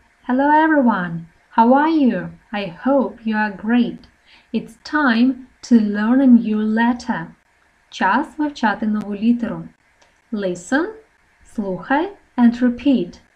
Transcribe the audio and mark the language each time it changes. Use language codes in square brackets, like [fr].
[en] Hello everyone, how are you? I hope you are great. It's time to learn a new letter. [uk] Час вивчати нову літеру. [en] Listen, слухай, and repeat.